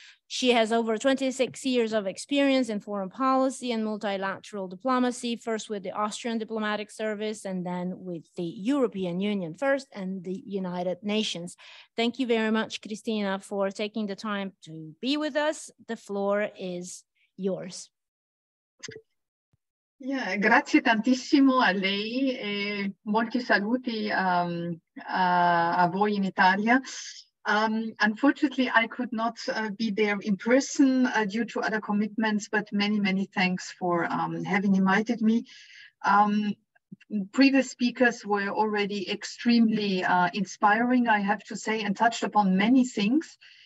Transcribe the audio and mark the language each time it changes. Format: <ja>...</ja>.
<en>She has over 26 years of experience in foreign policy and multilateral diplomacy, first with the Austrian Diplomatic Service and then with the European Union first and the United Nations. Thank you very much, Christina, for taking the time to be with us. The floor is yours.</en> <it>Yeah, grazie tantissimo a lei e molti saluti a voi in Italia.</it> <en>Unfortunately, I could not be there in person due to other commitments, but many, many thanks for having invited me. Previous speakers were already extremely inspiring, I have to say, and touched upon many things.</en>